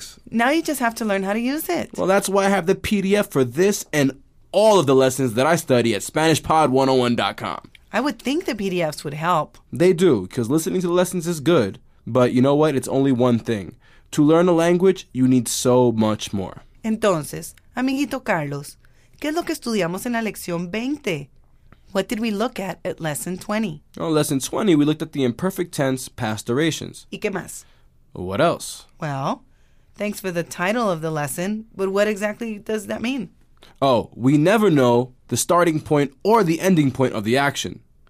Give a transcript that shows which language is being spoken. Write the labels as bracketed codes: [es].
[en] Now you just have to learn how to use it. Well, that's why I have the PDF for this and all of the lessons that I study at SpanishPod101.com. I would think the PDFs would help. They do, because listening to the lessons is good. But you know what? It's only one thing. To learn a language, you need so much more. [es] Entonces, amiguito Carlos, ¿qué es lo que estudiamos en la lección 20? [en] What did we look at lesson 20? Oh, lesson 20, we looked at the imperfect tense past durations. [es] ¿Y qué más? [en] What else? Well, thanks for the title of the lesson, but what exactly does that mean? Oh, we never know the starting point or the ending point of the action.